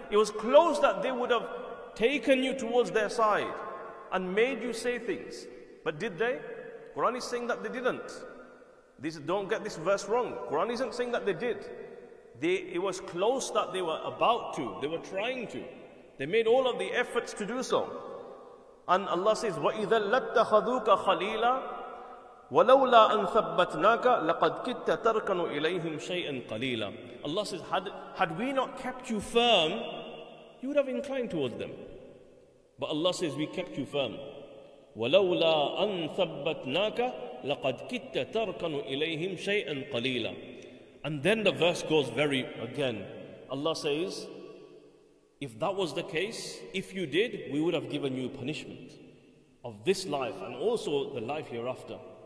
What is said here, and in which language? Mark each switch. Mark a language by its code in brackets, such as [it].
[en] It was close that they would have taken you towards their side and made you say things. But did they? Quran is saying that they didn't. This, don't get this verse wrong. Quran isn't saying that they did. It was close that they were about to. They were trying to. They made all of the efforts to do so. And Allah says, [ar] وَإِذَا لَتَّخَذُوكَ خَلِيلًا وَلَوْلَا أَن ثَبَّتْنَاكَ لَقَدْ كِتَّ تَرْكَنُ إِلَيْهِمْ شَيْئًا قَلِيلًا. [en] Allah says, had we not kept you firm, you would have inclined towards them. But Allah says, we kept you firm. [ar] وَلَوْلَا أَن ثَبَّتْنَاكَ لَقَدْ كِتَّ تَرْكَنُ إِلَيْهِمْ شَيْئًا قَلِيلًا. [en] And then the verse goes very again. Allah says, if that was the case, if you did, we would have given you punishment of this life and also the life hereafter.